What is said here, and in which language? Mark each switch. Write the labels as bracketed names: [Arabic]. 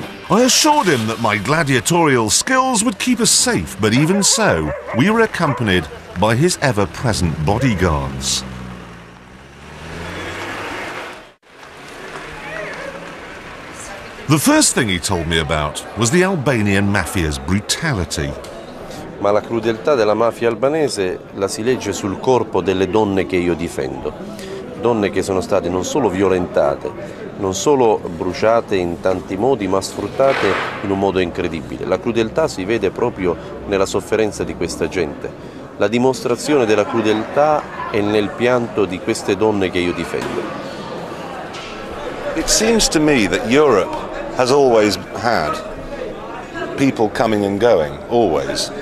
[English] I assured him that my gladiatorial skills would keep us safe, but even so, we were accompanied by his ever-present bodyguards. The first thing he told me about was the Albanian mafia's brutality. [Italian] ma la crudeltà della mafia albanese la si legge sul corpo delle donne che io difendo. Donne che sono state non solo violentate, non solo bruciate in tanti modi, ma sfruttate in un modo incredibile. La crudeltà si vede proprio nella sofferenza di questa gente. La dimostrazione della crudeltà è nel pianto di queste donne che io difendo. [English] It seems to me that Europe has always had people coming and going, always.